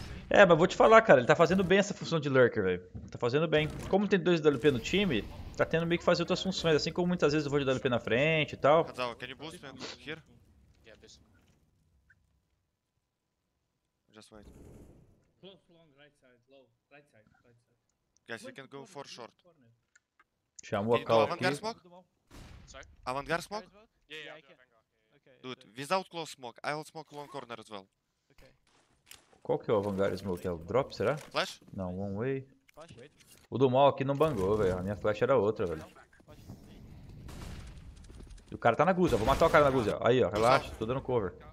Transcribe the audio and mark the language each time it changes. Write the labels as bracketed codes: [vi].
[pt] É, mas vou te falar, cara. Ele tá fazendo bem essa função de lurker, velho. Tá fazendo bem. Como tem dois WP no time, tá tendo meio que fazer outras funções. Assim como muitas vezes eu vou de WP na frente e tal. [en] Hadzal, can you boost me here? Just wait. Close long right side, low, right side. Guys, you can go for short. [pt] Chamou a call aqui. [en] Avant-garde smoke? Sorry? Avant-garde smoke? Yeah, yeah, I can. Okay. Dude, without close smoke, I will smoke long corner as well. Okay. [pt] Qual que é o avant-garde smoke? É o drop, será? [en] Flash? [pt] Não, [en] one way. Flash, wait. [pt] O do mal aqui não bangou, velho. A minha flash era outra, velho. O cara tá na guza, vou matar o cara na guza. Aí, ó, relaxa, tô dando cover.